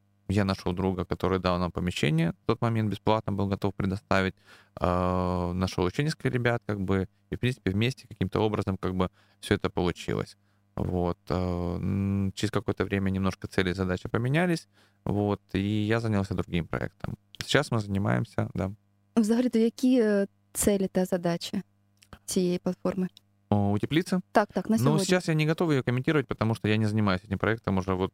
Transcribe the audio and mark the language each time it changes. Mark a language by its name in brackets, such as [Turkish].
[Russian] Я нашел друга, который дал нам помещение в тот момент, бесплатно был готов предоставить. Нашел еще несколько ребят, как бы, и, в принципе, вместе каким-то образом как бы все это получилось. Вот. Через какое-то время немножко цели и задачи поменялись, вот, и я занялся другим проектом. Сейчас мы занимаемся, да. [Ukrainian] Взагалі, то які цели та задачі цієї платформи? [Russian] У теплицы? Так, так, на сегодня. Ну, сейчас я не готов ее комментировать, потому что я не занимаюсь этим проектом уже вот...